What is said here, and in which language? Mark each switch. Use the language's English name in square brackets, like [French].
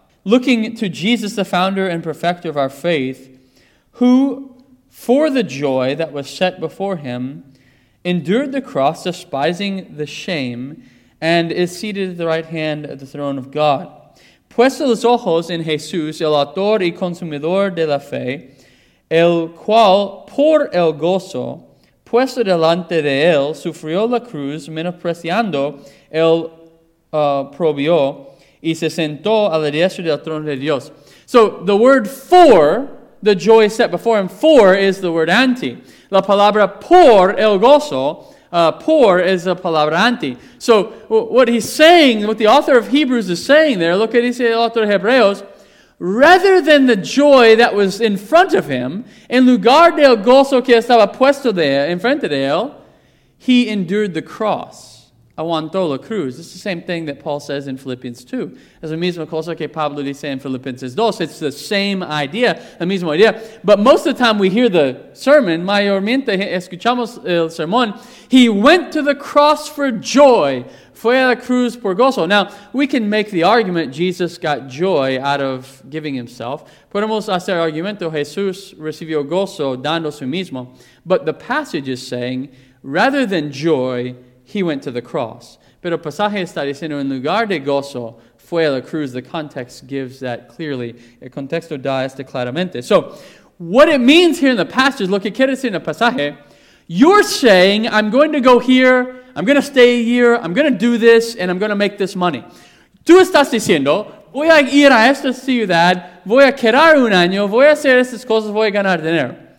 [English] Looking to Jesus, the founder and perfecter of our faith, who, for the joy that was set before him, endured the cross, despising the shame, and is seated at the right hand at the throne of God. [Spanish] Puesto los ojos en Jesús, el autor y consumidor de la fe, el cual, por el gozo, puesto delante de él, sufrió la cruz, menospreciando el probio, y se sentó a la diestra del trono de Dios. [English] So, the word for, the joy set before him, for is the word anti. [Spanish] La palabra por el gozo, por is the palabra anti. [English] So, what he's saying, what the author of Hebrews is saying there, look at [Spanish] el autor de Hebreos, [English] rather than the joy that was in front of him, [Spanish] en lugar del gozo que estaba puesto de, en frente de él, [English] he endured the cross. [Spanish] Aguantó la cruz. [English] It's the same thing that Paul says in Philippians 2. [Spanish] Es la misma cosa que Pablo dice en Filipenses 2. [English] It's the same idea, [Spanish] la misma idea. [English] But most of the time we hear the sermon, [Spanish] mayormente escuchamos el sermón, [English] he went to the cross for joy. [Spanish] Fue a la cruz por gozo. [English] Now, we can make the argument Jesus got joy out of giving himself. [Spanish] Podemos hacer argumento Jesús recibió gozo dando su mismo. [English] But the passage is saying, rather than joy, he went to the cross. [Spanish] Pero pasaje está diciendo, en lugar de gozo, fue a la cruz. [English] The context gives that clearly. [Spanish] El contexto da este claramente. [English] So, what it means here in the passage, [Spanish] lo que quiere decir en el pasaje, [English] you're saying, I'm going to go here, I'm going to stay here, I'm going to do this, and I'm going to make this money. [Spanish] Tú estás diciendo, voy a ir a esta ciudad, voy a quedar un año, voy a hacer estas cosas, voy a ganar dinero.